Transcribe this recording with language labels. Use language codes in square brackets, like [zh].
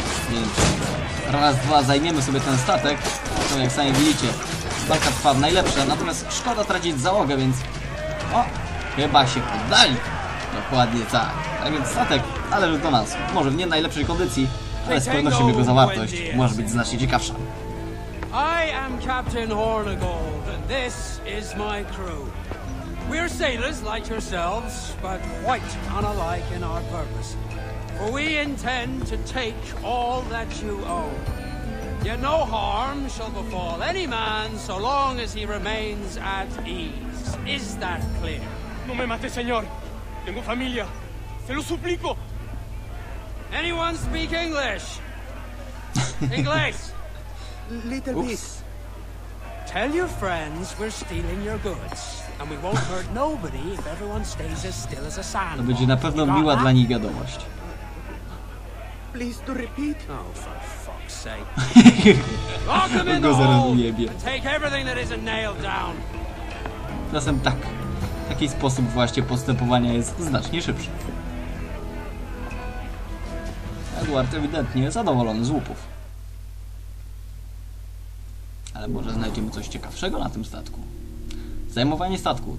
[pl] Więc raz, dwa, zajmiemy sobie ten statek. To jak sami widzicie, walka trwa w najlepsze. Natomiast szkoda tracić załogę, więc o, chyba się poddali. Dokładnie tak. Tak więc statek należy do nas. Może w nie najlepszej kondycji, ale z pewnością jego zawartość może być znacznie ciekawsza. [en] I am Captain Hornigold, and this is my crew. We're sailors like yourselves, but quite unlike in our purpose. For we intend to take all that you owe. Yet no harm shall befall any man so long as he remains at ease. Is that clear? [es] No me mate, señor. Tengo familia. Se lo suplico. [en] Anyone speak English? English! Little bit. Tell your friends we're stealing your goods. And we won't hurt nobody if everyone stays as still as a sand. [pl] To będzie na pewno miła dla nich wiadomość. [en] Please do repeat. Oh, for fuck's sake. Lock them in the hole and take everything that isn't nailed down. [pl] Czasem tak. Taki sposób właśnie postępowania jest znacznie szybszy. Edward ewidentnie zadowolony z łupów. Ale może znajdziemy coś ciekawszego na tym statku. Zajmowanie statku.